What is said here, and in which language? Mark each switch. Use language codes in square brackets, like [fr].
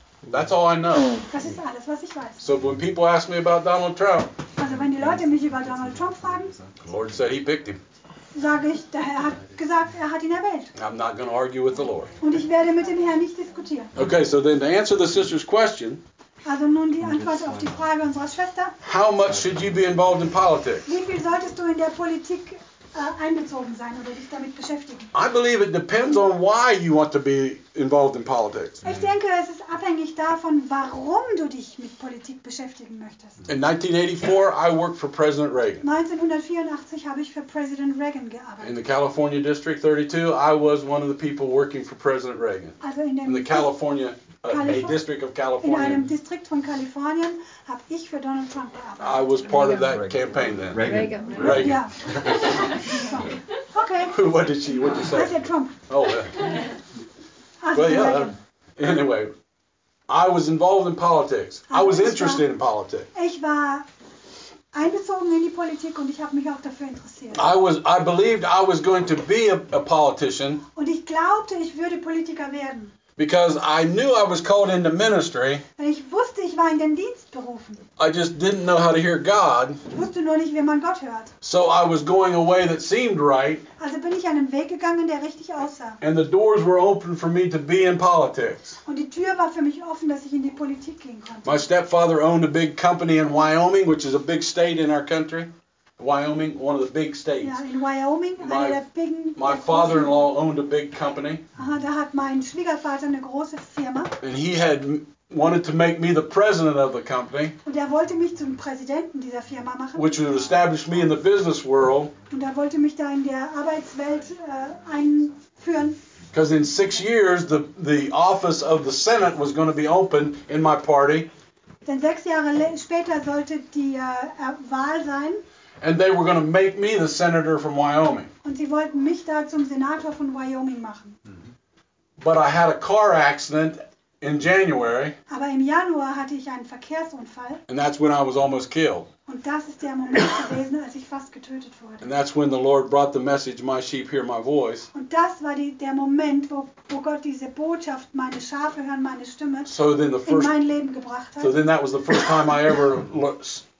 [en] That's all I know. [de] Das ist alles, was ich weiß. [en] So when people ask me about Donald Trump. [de] Also wenn die Leute mich über Donald Trump fragen. [en] The Lord said he picked him. [de] Sage ich, der Herr hat gesagt, hat ihn erwählt. [en] I'm not going to argue with the Lord. [de] Und ich werde mit dem Herrn nicht diskutieren. [en] Okay, so then to answer the sister's question. [de] Also nun die Antwort auf die Frage unserer Schwester. [en] How much should you be involved in politics? [de] Wie viel solltest du in der Politik einbezogen sein oder dich damit beschäftigen? [en] I believe it depends on why you want to be involved in politics. [de] Ich denke, es ist abhängig davon, warum du dich mit Politik beschäftigen möchtest. [en] In 1984, I worked for President Reagan. [de] 1984 habe ich für President Reagan gearbeitet. [en] In the California District 32, I was one of the people working for President Reagan. [de] Also in [en] the California District of California. [de] In einem Distrikt von Kalifornien habe ich für Donald Trump gearbeitet. [en] I was part of that campaign then. Reagan. Yeah. Okay. What did you say? I said Trump. Oh, yeah. Well, yeah. Anyway, I was involved in politics. I was interested in politics. [de] Ich war einbezogen in die Politik und ich habe mich auch dafür interessiert. [en] I believed I was going to be a politician. [de] Und ich glaubte, ich würde Politiker werden. [en] Because I knew I was called into ministry. [de] Ich wusste, ich war in den Dienst berufen. [en] I just didn't know how to hear God. [de] Ich wusste nur nicht, wie man Gott hört. [en] So I was going a way that seemed right. [de] Also bin ich einen Weg gegangen, der richtig aussah. [en] And the doors were open for me to be in politics. [de] Und die Tür war für mich offen, dass ich in die Politik gehen konnte. [en] My stepfather owned a big company in Wyoming, which is a big state in our country. Wyoming, one of the big states. [de] Ja, in Wyoming, eine der bigen. [en] My father-in-law owned a big company. [de] Aha, da hat mein Schwiegervater eine große Firma. [en] And he had wanted to make me the president of the company. [de] Und er wollte mich zum Präsidenten dieser Firma machen. [en] Which would establish me in the business world. [de] Und er wollte mich da in der Arbeitswelt einführen. [en] Because in 6 years the office of the Senate was going to be open in my party. [de] Denn 6 Jahre später sollte die Wahl sein. [en] And they were going to make me the senator from Wyoming. [de] Und sie wollten mich da zum Senator von Wyoming machen. [en] But I had a car accident in January. [de] Aber im Januar hatte ich einen Verkehrsunfall. [en] And that's when I was almost killed. [de] Und das ist der Moment gewesen, als ich fast getötet wurde. [en] And that's when the Lord brought the message, "My sheep hear my voice." [de] Und das war der Moment, wo Gott diese Botschaft, meine Schafe hören meine Stimme, [en] so then the first, [de] in mein Leben gebracht hat. [en] So then that was the first time I ever looked.